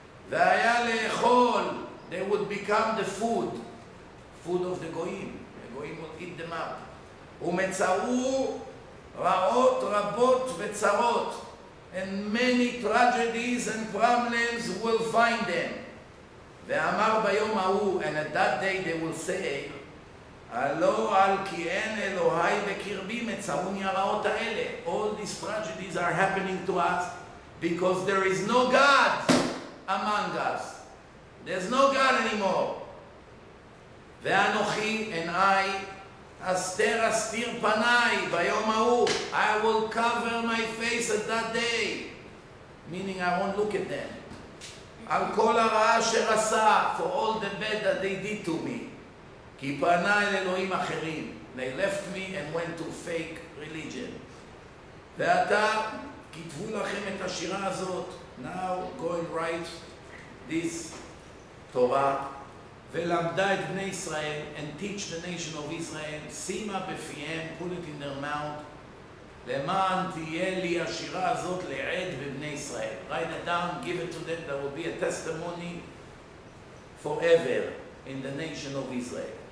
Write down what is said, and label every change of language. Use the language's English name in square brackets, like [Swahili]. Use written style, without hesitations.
[English] Ve'aya le'echol, they would become the food. Food of the goyim. The goyim will eat them up. [Hebrew] ומצאו רעות רבות וצרות, [English] and many tragedies and problems will find them. [Hebrew] ואמר ביום ההוא, [English] and at that day they will say, [Hebrew] הלא על כי אין אלוהי בקרבי מצאוני הרעות האלה. [English] All these tragedies are happening to us because there is no God among us. There's no God anymore. [Hebrew] ואנוכי [English] and I, [Hebrew] אסתר אסתיר פניי ביום ההוא. [English] I will cover my face at that day. Meaning I won't look at them. [Hebrew] על כל הרעה אשר עשה, [English] for all the bad that they did to me. [Hebrew] כי פנה אל אלוהים אחרים. [English] They left me and went to fake religion. [Hebrew] ועתה כתבו לכם את השירה הזאת. [English] Now go and write this Torah. [Hebrew] ולמדה את בני ישראל, [English] and teach the nation of Israel, [Hebrew] שימה בפיהם, [English] put it in their mouth, [Hebrew] למען תהיה לי השירה הזאת לעד בבני ישראל. [English] Write it down, give it to them, there will be a testimony forever in the nation of Israel.